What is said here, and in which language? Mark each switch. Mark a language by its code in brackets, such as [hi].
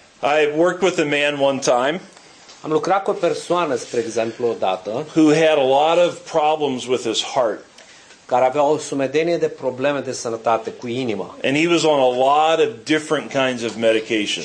[en] I worked with a man one time. [ro] Am lucrat cu o persoană, spre exemplu, odată, [en] who had a lot of problems with his heart. [ro] Care avea o sumedenie de probleme de sănătate cu inima. [en] And he was on a lot of different kinds of medications.